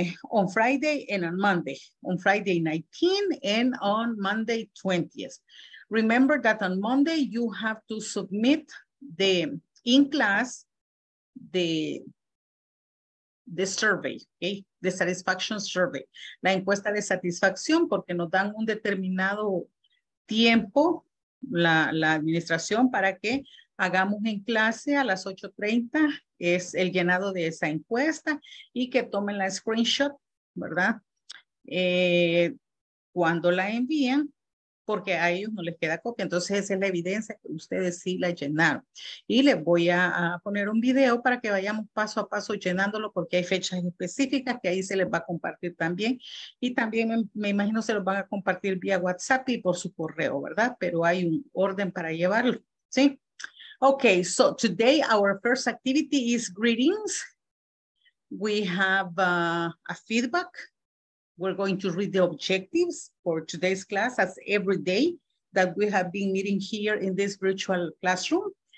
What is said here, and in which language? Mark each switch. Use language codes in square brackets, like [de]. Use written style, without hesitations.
[en] On Friday and on Monday, on Friday 19 and on Monday 20th. Remember that on Monday, you have to submit the, in class, the survey, okay? The satisfaction survey, [es] la encuesta de satisfacción, porque nos dan un determinado tiempo la administración para que hagamos en clase a las 8:30, es el llenado de esa encuesta y que tomen la screenshot, ¿verdad? Cuando la envían, porque a ellos no les queda copia, entonces esa es la evidencia que ustedes sí la llenaron. Y les voy a poner un video para que vayamos paso a paso llenándolo, porque hay fechas específicas que ahí se les va a compartir también, y también me imagino se los van a compartir vía WhatsApp y por su correo, ¿verdad? Pero hay un orden para llevarlo, ¿sí? [en] Okay, so today our first activity is greetings. We have a feedback. We're going to read the objectives for today's class as every day that we have been meeting here in this virtual classroom.